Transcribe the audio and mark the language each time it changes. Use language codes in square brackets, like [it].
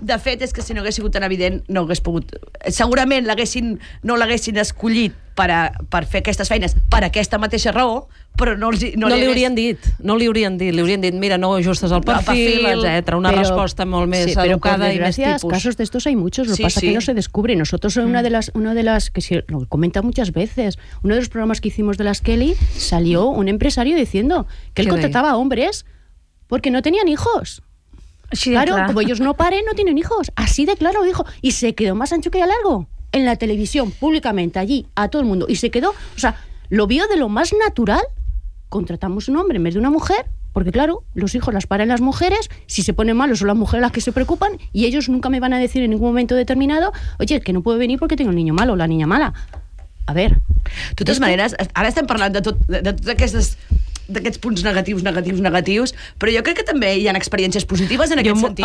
[ca] De fet, és que si no hagués sigut tan evident, no hagués pogut... Segurament no l'haguessin escollit per fer aquestes feines per aquesta mateixa raó, però no, els, no, no li haurien dit, no li haurien dit, li haurien dit, mira, no ajustes el perfil, etcètera, una resposta molt més sí, educada però, i més tipus. [es] Casos d'estos hay muchos, lo que pasa es que no se descubre. Nosotros en una de las que se lo comenta muchas veces, uno de los programas que hicimos de las Kelly, salió un empresario diciendo que él contrataba a hombres porque no tenían hijos. Sí, claro, como ellos no paren, no tienen hijos. Así de claro lo dijo. Y se quedó más ancho que ya largo. En la televisión, públicamente, allí, a todo el mundo. Y se quedó, o sea, lo vio de lo más natural. Contratamos un hombre en vez de una mujer, porque claro, los hijos las paren las mujeres. Si se ponen malos, son las mujeres las que se preocupan. Y ellos nunca me van a decir en ningún momento determinado, oye, que no puedo venir porque tengo el niño malo o la niña mala. A ver. De todas maneras, ahora están hablando de [ca] totes aquestes punts negatius, però jo crec que també hi ha experiències positives en aquest sentit.